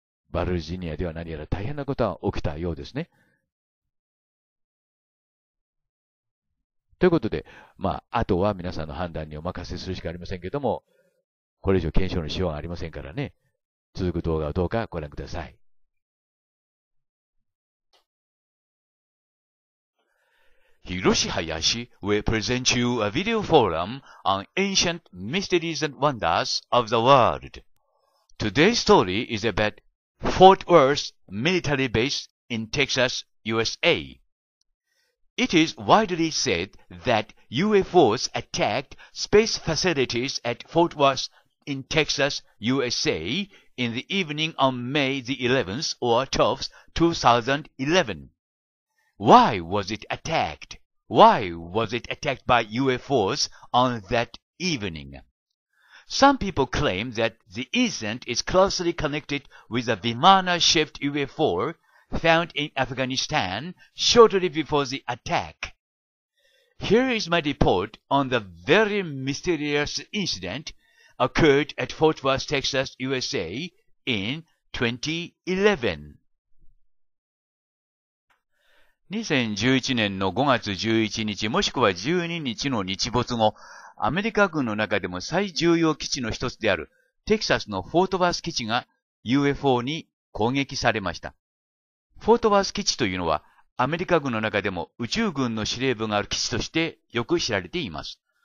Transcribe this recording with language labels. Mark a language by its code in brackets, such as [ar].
[ja] バルジニアでは何やら大変なことが起きたようですね。ということで、まあ、あとは皆さんの判断にお任せするしかありませんけども、これ以上検証のしようはありませんからね。続く動画をどうかご覧ください。 [en] Hiroshi Hayashi will present you a video forum on ancient mysteries and wonders of the world. Today's story is about Fort Worth military base in Texas, USA. It is widely said that UFOs attacked space facilities at Fort Worth in Texas, USA in the evening on May the 11th or 12th, 2011. Why was it attacked? Why was it attacked by UFOs on that evening? Some people claim that the incident is closely connected with a Vimana-shaped UFOfound in Afghanistan shortly before the attack. Here is my report on the very mysterious incident occurred at Fort Worth, Texas, USA in 2011. [ja] 2011年の5月11日もしくは12日の日没後、アメリカ軍の中でも最重要基地の一つであるテキサスのフォートワース基地が UFO に攻撃されました。フォートワース基地というのはアメリカ軍の中でも宇宙軍の司令部がある基地としてよく知られています。